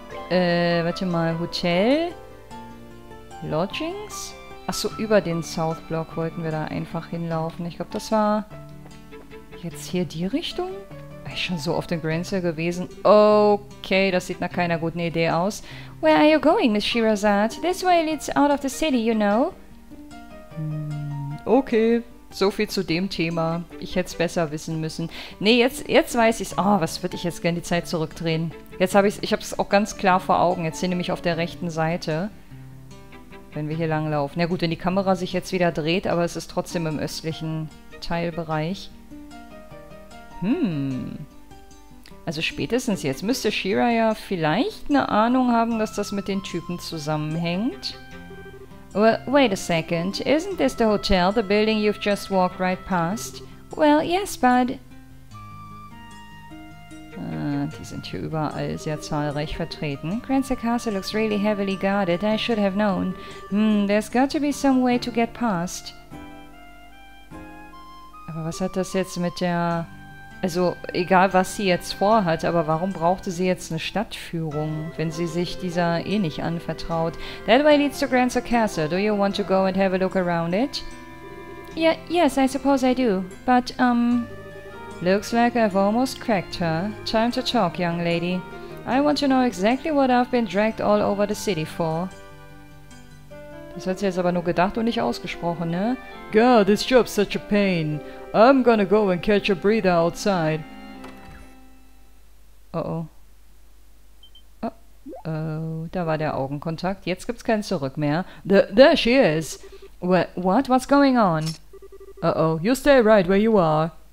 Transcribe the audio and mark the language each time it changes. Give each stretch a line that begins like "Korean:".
German: Warte mal, Hotel? Lodgings? Achso, über den South Block wollten wir da einfach hinlaufen. Ich glaube, das war jetzt hier die Richtung? War ich schon so oft in Grinsell gewesen? Okay, das sieht nach keiner guten Idee aus.
English: Where are you going, Miss Shirazade? This way leads out of the city, you know.
German: Okay. So viel zu dem Thema. Ich hätte es besser wissen müssen. Nee, jetzt weiß ich es. Oh, was würde ich jetzt gerne die Zeit zurückdrehen? Jetzt habe ich es. Ich habe es auch ganz klar vor Augen. Jetzt sind nämlich auf der rechten Seite. Wenn wir hier langlaufen. Na gut, wenn die Kamera sich jetzt wieder dreht, aber es ist trotzdem im östlichen Teilbereich. Hm. Also spätestens jetzt müsste Shira ja vielleicht eine Ahnung haben, dass das mit den Typen zusammenhängt.
English: Well, wait a second. Isn't this the hotel, the building you've just walked right past? Well, yes, but...
German: Die sind hier überall sehr zahlreich vertreten.
English: Grancer Castle looks really heavily guarded. I should have known. Hmm, there's got to be some way to get past.
German: Aber was hat das jetzt mit der... Also, egal was sie jetzt vorhat, aber warum brauchte sie jetzt eine Stadtführung, wenn sie sich dieser eh nicht anvertraut?
English: That way leads to Grancer Castle. Do you want to go and have a look around it? Yes, I suppose I do. But, Looks like I've almost cracked her. Time to talk, young lady. I want to know exactly what I've been dragged all over the city for.
German: Das hat sie jetzt aber nur gedacht und nicht ausgesprochen, ne?
English: God, this job's such a pain. I'm gonna go and catch a breather outside.
German: Oh oh. Oh oh, da war der Augenkontakt. Jetzt gibt's kein Zurück mehr.
English: There she is. What? What's going on? Oh oh, you stay right where you are.